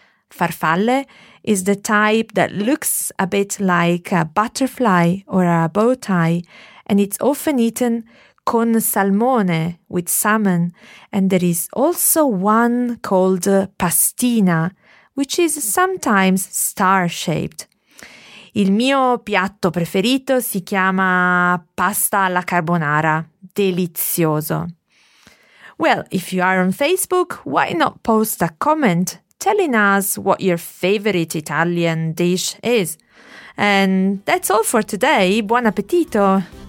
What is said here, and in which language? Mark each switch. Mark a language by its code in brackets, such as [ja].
[en] Farfalle is the type that looks a bit like a butterfly or a bow tie, and it's often eaten [it] con salmone, [en] with salmon, and there is also one called pastina, which is sometimes star-shaped. [it] Il mio piatto preferito si chiama pasta alla carbonara. Delizioso. [en] Well, if you are on Facebook, why not post a comment telling us what your favorite Italian dish is? And that's all for today. [it] Buon appetito!